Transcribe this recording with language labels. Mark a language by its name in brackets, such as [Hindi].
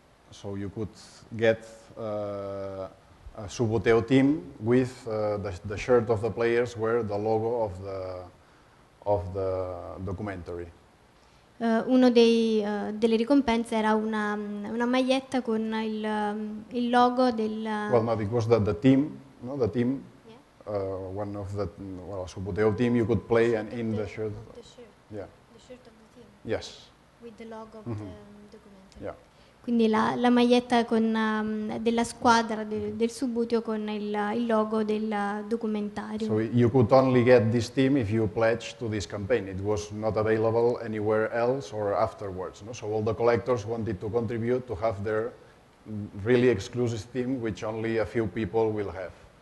[English] So you could get a Suboteo team with the shirt of the players where the logo of the documentary. [Italian] Uno delle ricompense era una maglietta con il logo del. [English] Well, no, because the team, you know, the team. One of the, well, a Suboteo team, you could play and in the shirt. The shirt. Yeah. The shirt of the team. Yes. With the logo of the documentary. Yeah. [Italian] Quindi la maglietta con della squadra del Suboteo con il logo del documentario. [English] So you could only get this team if you pledged to this campaign. It was not available anywhere else or afterwards. No? So all the collectors wanted to contribute to have their really exclusive team, which only a few people will have.